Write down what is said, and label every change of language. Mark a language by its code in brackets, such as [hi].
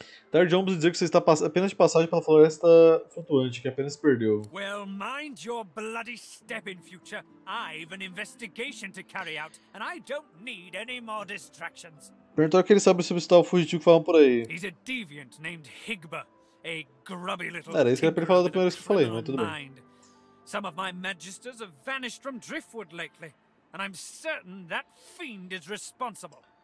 [pt] Dar Jones dizer que você está apenas de passagem pela floresta flutuante, que apenas perdeu. [en] Well, mind your bloody step in future. I've an investigation to carry out, and I don't need any more distractions. [pt] Perguntou que ele sabe sobre o fugitivo que falam por aí. [en] He's a deviant named Higba, a grubby little. [pt] Era isso que ele falou da primeira vez que eu falei, mas tudo bem. [en] Some of my magisters have vanished from Driftwood lately, and I'm certain that fiend is responsible.